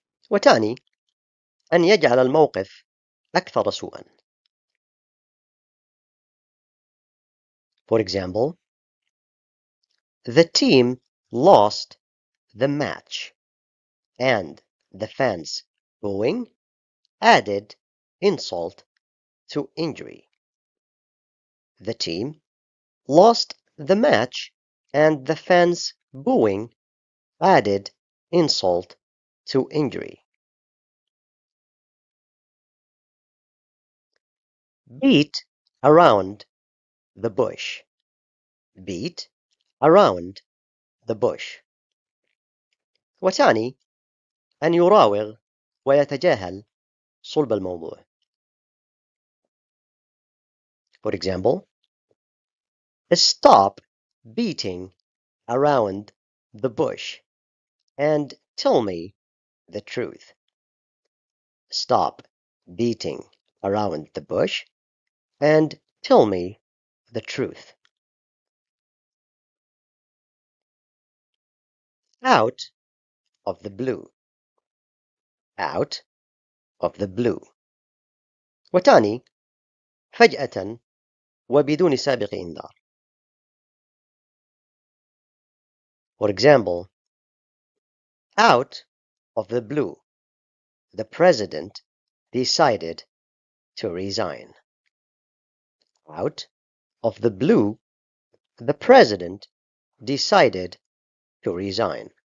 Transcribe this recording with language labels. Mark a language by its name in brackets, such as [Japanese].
[Arabic] وتعني أن يجعل الموقف أكثر سوءا. [English] For example, the team lost the match and the fans booing added insult to injury. The team lost the match and the fans booing added insult to injury. Beat around the bush. Beat around the bush. [Arabic] وتعني أن يراوغ ويتجاهل صلب الموضوع. [English] For example, stop beating around the bush and tell me the truth. Stop beating around the bush and tell me the truth. Out of the blue. Out of the blue. [Arabic] وتعني فجأة وبدون سابق إنذار. [English] For example, out of the blue, the president decided to resign. Out of the blue, the president decided to resign.